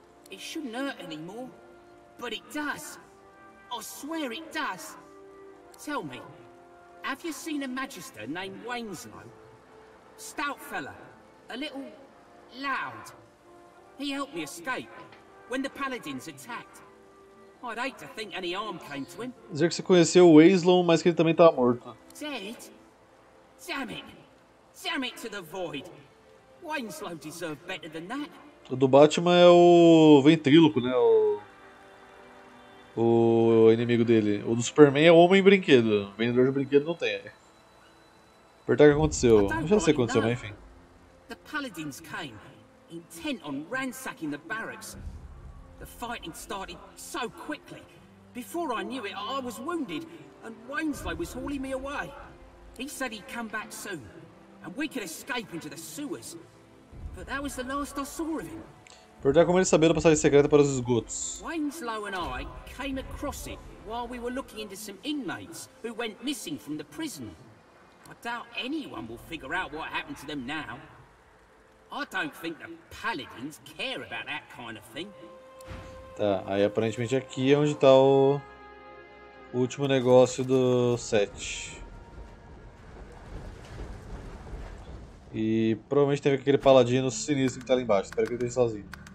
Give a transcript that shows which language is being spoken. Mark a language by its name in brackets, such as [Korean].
[English] It shouldn't hurt anymore, but it does. I swear it does. Tell me, have you seen a magister named Wainslow? Stout fella, a little loud. He helped me escape when the paladins attacked. I'd hate to think any harm came to him. [Portuguese] Dizer que você conheceu o Wainslow, mas que ele também tá morto. [English] Dead? Damn it! Damn it to the void! Wainslow deserved better than that. [Portuguese] O do Batman é o ventríloco, né? O inimigo dele. O do Superman é o homem brinquedo. O vendedor de brinquedo não tem. Apertar o que aconteceu. Eu já sei o que aconteceu, mas enfim. [English] The paladins came. Intent on ransacking the barracks. The fighting started so quickly. Before I knew it, I was wounded, and Wainslow was hauling me away. He said he'd come back soon, and we could escape into the sewers. But that was the last I saw of him. [Portuguese] Perder como ele sabia da passagem secreta para os esgotos. [English] Wainslow and I came across it while we were looking into some inmates who went missing from the prison. I doubt anyone will figure out what happened to them now. I don't think the paladins care about that kind of thing. [Portuguese] Tá, aí aparentemente aqui é onde tá o último negócio do set. E provavelmente tem aquele paladino sinistro que tá ali embaixo. Espero que ele esteja sozinho.